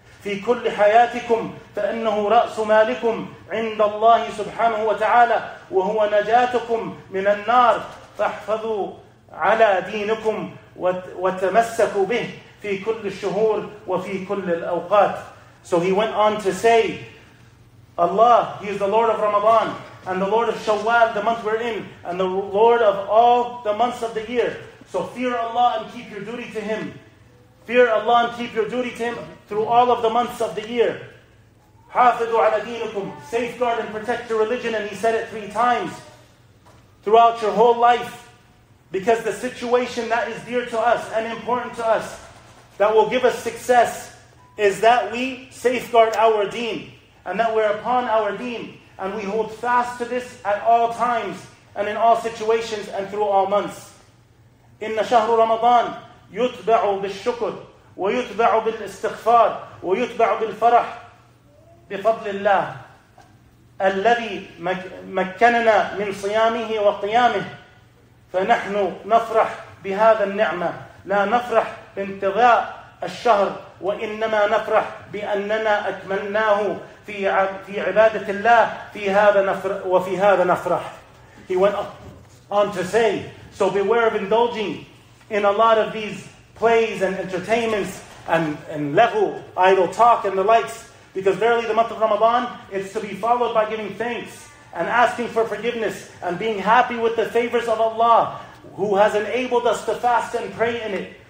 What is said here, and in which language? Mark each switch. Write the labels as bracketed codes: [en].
[ar] في كل حياتكم فإنه رأس مالكم عند الله سبحانه وتعالى وهو نجاتكم من النار فاحفظوا على دينكم وتمسكوا به في كل الشهور وفي كل الأوقات. [en] So he went on to say, Allah, He is the Lord of Ramadan and the Lord of Shawwal, the month we're in, and the Lord of all the months of the year. So fear Allah and keep your duty to Him. Fear Allah and keep your duty to Him through all of the months of the year. [ar] حَافِظُوا عَلَى دِينُكُمْ. [en] Safeguard and protect your religion. And he said it three times throughout your whole life. Because the situation that is dear to us and important to us that will give us success is that we safeguard our deen and that we're upon our deen and we hold fast to this at all times and in all situations and through all months. [ar] إِنَّ شَهْرُ رَمَضَانِ يتبع بالشكر ويتبع بالاستغفار ويتبع بالفرح بفضل الله الذي مكننا من صيامه وقيامه فنحن نفرح بهذا النعمة لا نفرح بانتظاء الشهر وإنما نفرح بأننا أكملناه في عبادة الله في هذا نفر وفي هذا نفرح. [en] He went on to say, so beware of indulging in a lot of these plays and entertainments and lahu, idle talk and the likes, because verily the month of Ramadan is to be followed by giving thanks and asking for forgiveness and being happy with the favors of Allah who has enabled us to fast and pray in it.